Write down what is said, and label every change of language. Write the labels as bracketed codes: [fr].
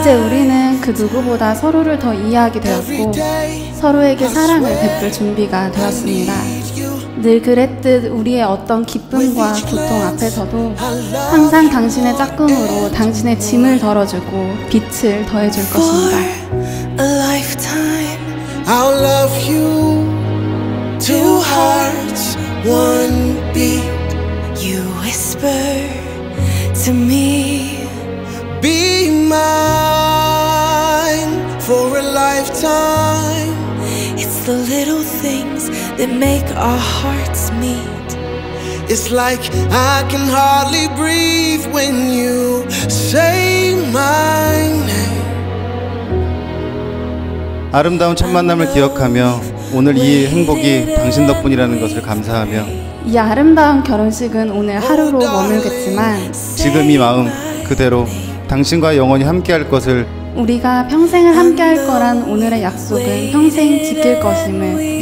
[ko] 이제 우리는 그 누구보다 서로를 더 이해하게 되었고 서로에게 사랑을 베풀 준비가 되었습니다. 늘 그랬듯 우리의 어떤 기쁨과 고통 앞에서도 항상 당신의 짝꿍으로 당신의 짐을 덜어주고 빛을 더해줄 것입니다. [en] A lifetime I'll love you two hearts one beat you whisper to me be mine for a lifetime. The little things that make our hearts meet. It's like I can hardly breathe when you say my name. [ko] 아름다운 첫 만남을 기억하며 오늘 이 행복이 당신 덕분이라는 것을 감사하며 이 아름다운 결혼식은 오늘 하루로 머물겠지만 지금 이 마음 그대로 당신과 영원히 함께할 것을 우리가 평생을 함께 할 거란 오늘의 약속은 평생 지킬 것임을